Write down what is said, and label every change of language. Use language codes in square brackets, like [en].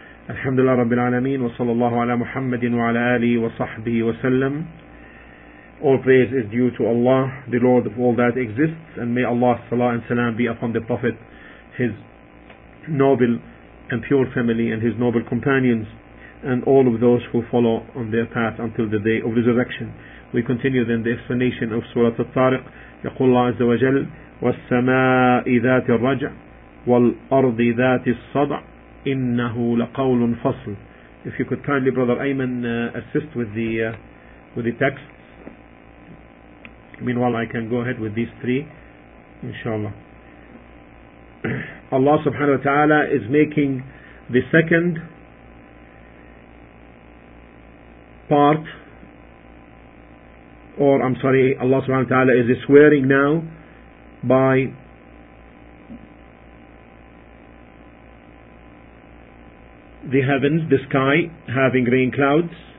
[ar] الحمد لله رب العالمين وصلى الله على محمد وعلى آله وصحبه وسلم. [en] All praise is due to Allah, the Lord of all that exists, and may Allah's salah and salam be upon the Prophet, his noble and pure family, and his noble companions, and all of those who follow on their path until the day of resurrection. We continue then the explanation of Surah At-Tariq. [ar] يقول الله عز وجل والسماء ذات الرجع والأرض ذات الصدع إنه لقول فصل. [en] If you could kindly, brother Ayman, assist with the text. Meanwhile, I can go ahead with these three, inshallah. Allah subhanahu wa ta'ala is making the second part, or I'm sorry, Allah subhanahu wa ta'ala is swearing now by the heavens, the sky, having rain clouds.